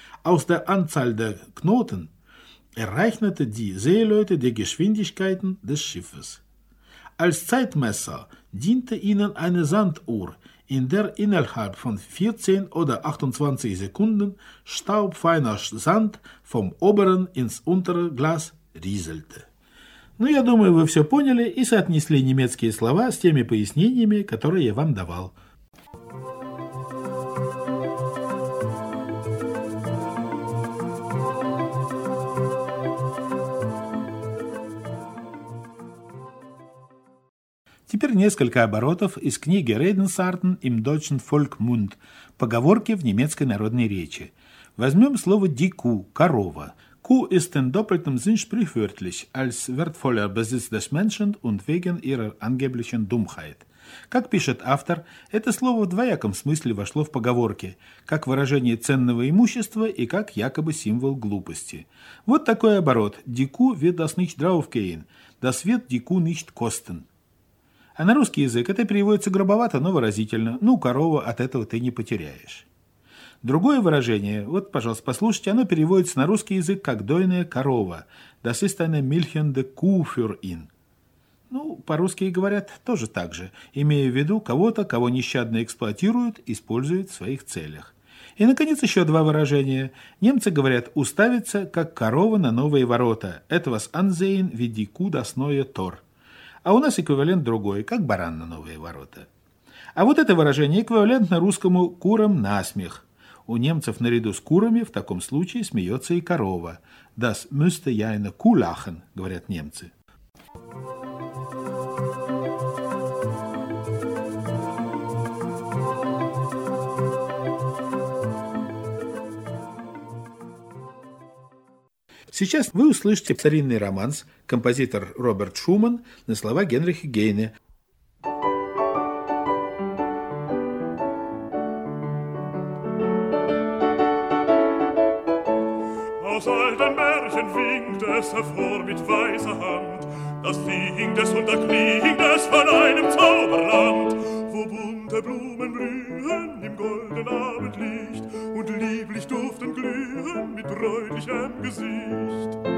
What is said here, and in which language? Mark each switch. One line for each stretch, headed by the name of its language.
German: Aus der Anzahl der Knoten errechnete die Seeleute die Geschwindigkeiten des Schiffes. Als Zeitmesser diente ihnen eine Sanduhr, in der innerhalb von 14 oder 28 Sekunden staubfeiner Sand vom oberen ins untere Glas rieselte.
Russian: Ну, я думаю, вы все поняли и соотнесли немецкие слова с теми пояснениями, которые я вам давал. Теперь несколько оборотов из книги
German: Redensarten im deutschen Volksmund
Russian: «Поговорки в немецкой народной речи». Возьмем слово
German: «die Kuh»
Russian: – «корова».
German: Kuh ist in doppeltem Sinn sprichwörtlich, als wertvoller Besitz des Menschen und wegen ihrer angeblichen Dummheit.
Russian: Как пишет автор, это слово в двояком смысле вошло в поговорки, как выражение ценного имущества и как якобы символ глупости. Вот такой оборот
German: «die Kuh wird das nicht draufgehen», «das wird die Kuh nicht kosten».
Russian: А на русский язык это переводится грубовато, но выразительно. Ну, корову от этого ты не потеряешь. Другое выражение, вот, пожалуйста, послушайте, оно переводится на русский язык как «дойная корова».
German: Das ist eine milchende Kuh für ihn.
Russian: Ну, по-русски говорят тоже так же, имея в виду кого-то, кого нещадно эксплуатируют, используют в своих целях. И, наконец, еще два выражения. Немцы говорят «уставиться, как корова на новые ворота».
German: «Этвас ansehen wie die Kuh das neue Tor».
Russian: А у нас эквивалент другой, как баран на новые ворота. А вот это выражение эквивалентно русскому «курам на смех». У немцев наряду с курами в таком случае смеется и корова.
German: «Das müsste ja eine Kuh lachen»,
Russian: говорят немцы. Сейчас вы услышите старинный романс, композитор Роберт Шуман на слова Генриха Гейне.
German: Aus alten Märchen winkt es hervor mit weiser Hand, das fliegt es und erklingt es von einem Zauberland, wo bunte Blumen blühen im goldenen Abendlicht und lieblich duften glühen mit bräutlichem Gesicht.